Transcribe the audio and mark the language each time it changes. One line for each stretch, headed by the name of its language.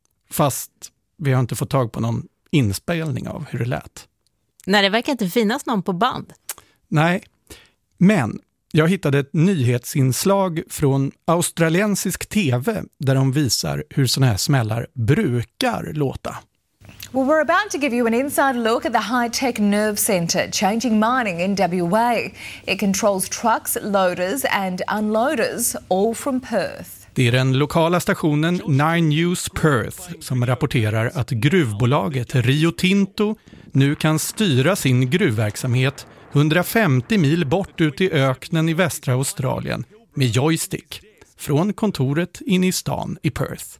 Swedish: Fast vi har inte fått tag på någon inspelning av hur det lät. Nej, det verkar inte finnas någon på band. Nej, men jag hittade ett nyhetsinslag från australiensisk TV där de visar hur såna här smällar brukar låta.
English: Well, we're about to give you an inside look at the high-tech nerve center changing mining in WA. It controls trucks, loaders and unloaders all from Perth.
Swedish: Det är den lokala stationen Nine News Perth som rapporterar att gruvbolaget Rio Tinto nu kan styra sin gruvverksamhet 150 mil bort ut i öknen i västra Australien med joystick från kontoret in i stan i Perth.